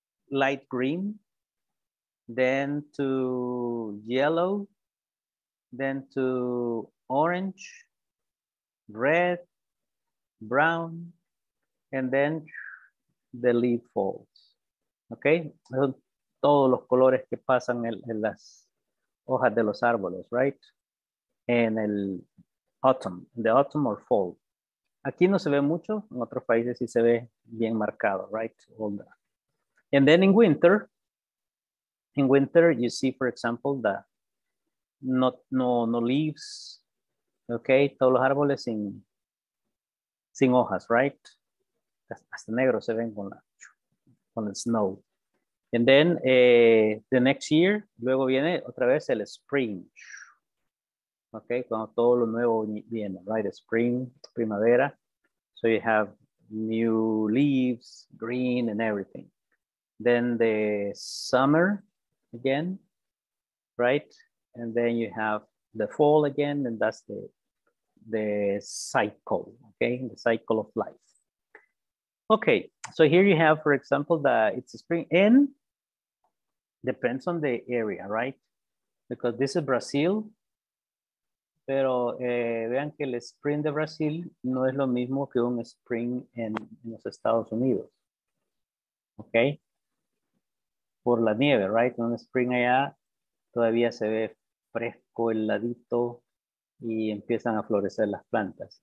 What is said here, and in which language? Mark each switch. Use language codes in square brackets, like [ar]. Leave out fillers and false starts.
[en] light green, then to yellow, then to orange, red, brown, and then the leaf falls. Okay? [es] Son todos los colores que pasan en las hojas de los árboles, right? En el autumn, [en] the autumn or fall. [es] Aquí no se ve mucho, en otros países sí se ve bien marcado, right? [en] All that. And then in winter you see, for example, the no leaves, okay? [es] Todos los árboles sin hojas, right? Hasta negro se ven con el snow. [en] And then the next year, [es] luego viene otra vez el spring, okay? Cuando todo lo nuevo viene, right? Spring, primavera. [en] So you have new leaves, green and everything. Then the summer again, right? And then you have the fall again, and that's the cycle, okay? The cycle of life. Okay, so here you have, for example, that it's a spring, and depends on the area, right? Because this is Brazil. [es] Pero vean que el spring de Brasil no es lo mismo que un spring en los Estados Unidos. Ok. Por la nieve, right? Un spring allá todavía se ve fresco, heladito, y empiezan a florecer las plantas.